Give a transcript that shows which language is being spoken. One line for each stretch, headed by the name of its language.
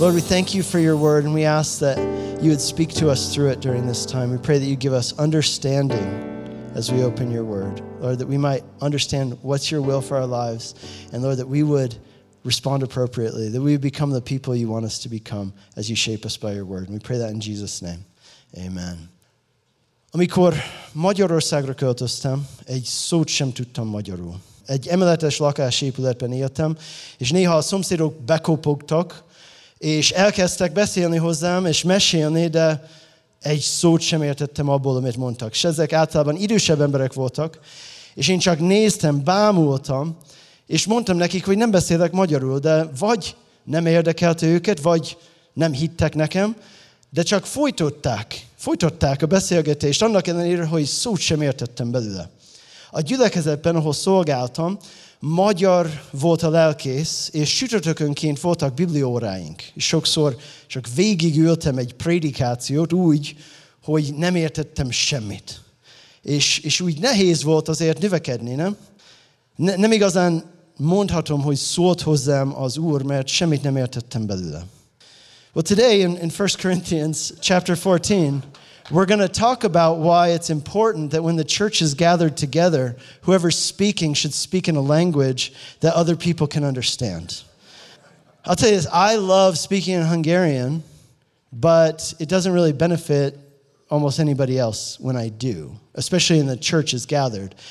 English: Lord, we thank you for your word, and we ask that you would speak to us through it during this time. We pray that you give us understanding as we open your word. Lord, that we might understand what's your will for our lives, and Lord, that we would respond appropriately, that we would become the people you want us to become as you shape us by your word. And we pray that in Jesus' name. Amen.
Hungarian: Amikor magyarra szegrököltöztem, egy szót sem tudtam magyarul. Egy emeletes lakásépületben éltem, és néha a szomszédok bekopogtak, és elkezdtek beszélni hozzám, és mesélni, de egy szót sem értettem abból, amit mondtak. És ezek általában idősebb emberek voltak, és én csak néztem, bámultam, és mondtam nekik, hogy nem beszélek magyarul, de vagy nem érdekelte őket, vagy nem hittek nekem, de csak folytották a beszélgetést, annak ellenére, hogy szót sem értettem belőle. A gyülekezetben, ahol szolgáltam, magyar volt a lelkész, és sütörtökönként voltak biblióráink. És sokszor csak végigültem egy prédikációt úgy, hogy nem értettem semmit. És úgy nehéz volt azért növekedni, nem? Nem igazán mondhatom, hogy szólt hozzám az Úr, mert semmit nem értettem belőle.
English: Well, today in 1 Corinthians chapter 14, we're going to talk about why it's important that when the church is gathered together, whoever's speaking should speak in a language that other people can understand. I'll tell you this, I love speaking in Hungarian, but it doesn't really benefit almost anybody else when I do, especially when the church is gathered.